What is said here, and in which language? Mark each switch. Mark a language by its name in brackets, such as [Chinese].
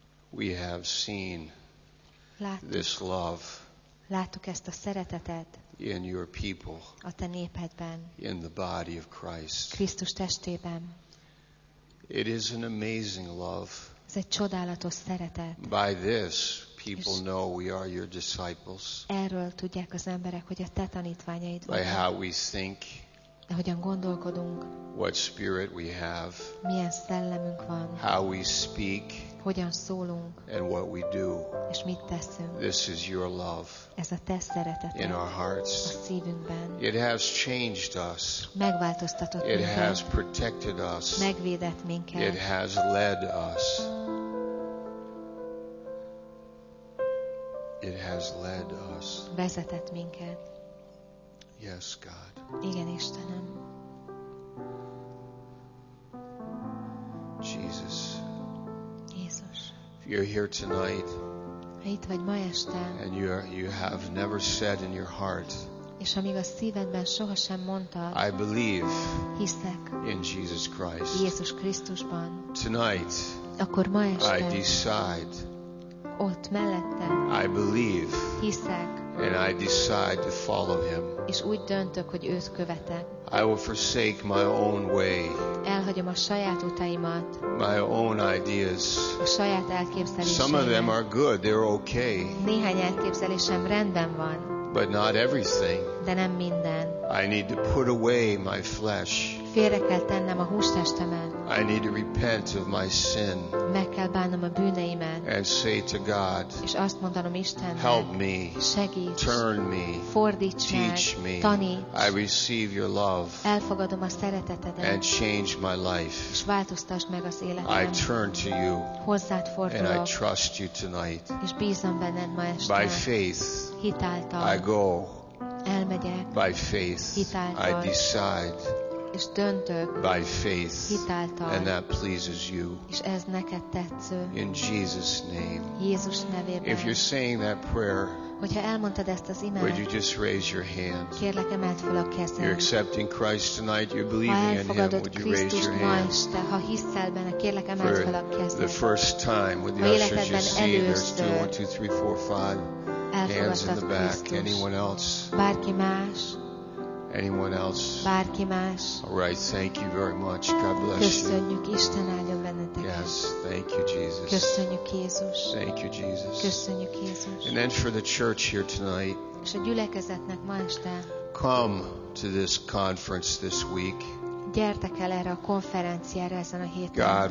[English] We have seen [Hungarian] láttuk, [English] this love [Hungarian] láttuk ezt a szeretetet [English] in your people, [Hungarian] a te népedben, [English] in the body of Christ. [Hungarian] Krisztus testében. [English] It is an amazing love. [Hungarian] Ez egy csodálatos szeretet. [English] By this people know we are your disciples. [Hungarian] Erről tudják az emberek, hogy a te tanítványaid vagyunk. [English] By how we think. [Hungarian] De hogyan gondolkodunk? [English] What spirit we have. [Hungarian] Milyen szellemünk van? [English] How we speak. [Hungarian] Hogyan szólunk? [English] And what we do. [Hungarian] És mit teszünk? [English] This is your love. [Hungarian] Ez a te szeretetet. [English] In our hearts. [Hungarian] A szívünkben. [English] It has changed us. [Hungarian] Megváltoztatott [English] it [Hungarian] minket. [English] It has protected us. [Hungarian] Megvédett minket. [English] It has led us. It has led us. [Hungarian] Vezetett minket. [English] Yes, God. [Hungarian] Igen, Istenem. [English] Jesus. [Hungarian] Jézus. [English] If you're here tonight. [Hungarian] Ha itt vagy ma este. [English] And you have never said in your heart. [Hungarian] És amíg a szívedben sohasem mondtad. [English] I believe. [Hungarian] Hiszek. [English] In Jesus Christ. [Hungarian] Jézus Krisztusban. [English] Tonight. [Hungarian] Akkor ma este. [English] I decide. [Hungarian] Ott mellette. [English] I believe. [Hungarian] Hiszek. [English] And I decide to follow him. [Hungarian] És úgy döntök, hogy őt követek. [English] I will forsake my own way. [Hungarian] Elhagyom a saját utaimat. [English] My own ideas. [Hungarian] A saját elképzeléseimet. [English] Some of them are good, they're okay. [Hungarian] Néhány elképzelésem rendben van. [English] But not everything. [Hungarian] De nem minden. [English] I need to put away my flesh. [Hungarian] Félre kell tennem a hústestemet. [English] I need to repent of my sin. [Hungarian] Meg kell bánnom a bűneimet. [English] And say to God. [Hungarian] És azt mondanom Istennek. [English] Help me. [Hungarian] Segíts. [English] Turn me. [Hungarian] Fordíts meg. [English] Teach me. [Hungarian] Taníts. [English] I receive your love. [Hungarian] Elfogadom a szeretetedet. [English] And change my life. [Hungarian] És változtass meg az életem. [English] I turn to you. [Hungarian] Hozzád fordulok. [English] And I trust you tonight. [Hungarian] És bízom benned ma este. [English] By faith. [Hungarian] Hitáltal. [English] I go. [Hungarian] Elmegyek. [English] By faith. [Hungarian] Hitáltal. [English] I decide. [Hungarian] És döntök. [English] By faith. [Hungarian] Hitáltal. [English] And that pleases you. [Hungarian] És ez neked tetsző. [English] In Jesus' name. [Hungarian] Jézus nevében. [English] If you're saying that prayer. [Hungarian] Hogyha elmondtad ezt az imát. [English] Would you just raise your hand? [Hungarian] Kérlek, emeld fel a kezed. [English] You're accepting Christ tonight. You're believing in him. Would you raise your hand? [Hungarian] Este, ha hiszel benne, kérlek, emeld fel a kezed. [English] The first time with the ushers, you see there's 2, 1, 2, 3, 4, 5. Hands in the back. Anyone else? [Hungarian] Bárki más? [English] Anyone else? [Hungarian] Bárki más? [English] All right. Thank you very much. God bless [Hungarian] köszönjük, [English] you. [Hungarian] Köszönjük, Isten áldjon benneteket. [English] Yes. Thank you, Jesus. [Hungarian] Köszönjük, Jézus. [English] Thank you, Jesus. [Hungarian] Köszönjük, Jézus. [English] And then for the church here tonight. [Hungarian] És a gyülekezetnek ma este. [English] Come to this conference this week. [Hungarian] Gyertek el erre a konferenciára ezen a héten.